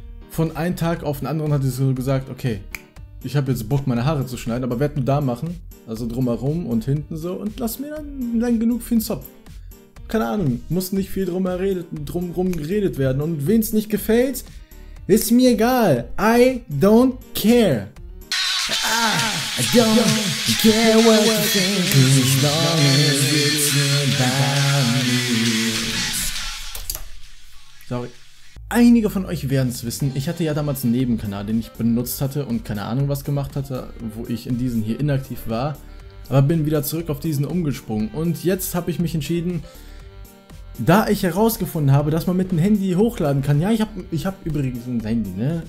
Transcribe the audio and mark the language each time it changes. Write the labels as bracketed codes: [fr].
[de] Von einem Tag auf den anderen hat sie so gesagt, okay, ich habe jetzt Bock, meine Haare zu schneiden, aber werd nur da machen, also drumherum und hinten so, und lass mir dann lang genug für den Zopf. Keine Ahnung, muss nicht viel drumherum geredet werden, und wen es nicht gefällt, ist mir egal. [en] I don't care. I don't care what you think, as long as it's about you. Sorry. [de] Einige von euch werden es wissen, ich hatte ja damals einen Nebenkanal, den ich benutzt hatte und keine Ahnung was gemacht hatte, wo ich in diesen hier inaktiv war, aber bin wieder zurück auf diesen umgesprungen und jetzt habe ich mich entschieden, da ich herausgefunden habe, dass man mit dem Handy hochladen kann, ja ich hab übrigens ein Handy, ne?